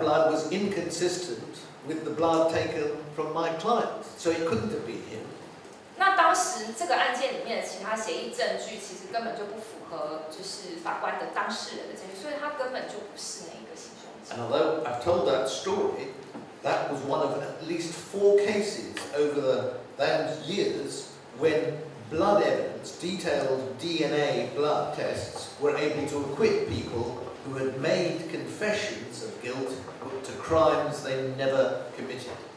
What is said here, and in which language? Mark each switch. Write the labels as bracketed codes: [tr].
[en] blood was inconsistent with the blood taken from my client, so it couldn't have been him. [zh] 那当时这个案件里面的其他协议证据，其实根本就不符合就是法官的当事人的证据，所以他根本就不是那一个行凶者。 [en] And although I've told that story, that was one of at least 4 cases over the those years when blood evidence, detailed DNA blood tests, were able to acquit people who had made confessions of guilt to crimes they never committed.